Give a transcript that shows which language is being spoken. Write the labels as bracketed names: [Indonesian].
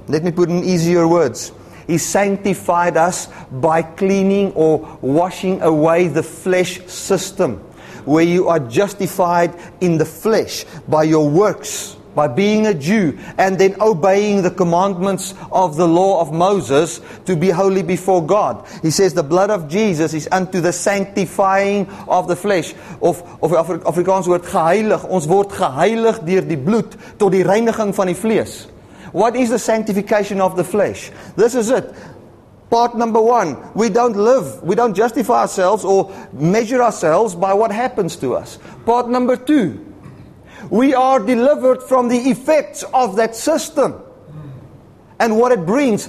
[English] Let me put it in easier words. He sanctified us by cleaning or washing away the flesh system. Where you are justified in the flesh by your works. by being a Jew and then obeying the commandments of the law of Moses to be holy before God. He says the blood of Jesus is unto the sanctifying of the flesh. [Afrikaans] Of Afrikaans word geheilig. Ons word geheilig deur die bloed tot die reiniging van die vlees. [English] What is the sanctification of the flesh? This is it. Part number one, we don't live, we don't justify ourselves or measure ourselves by what happens to us. Part number two, we are delivered from the effects of that system and what it brings.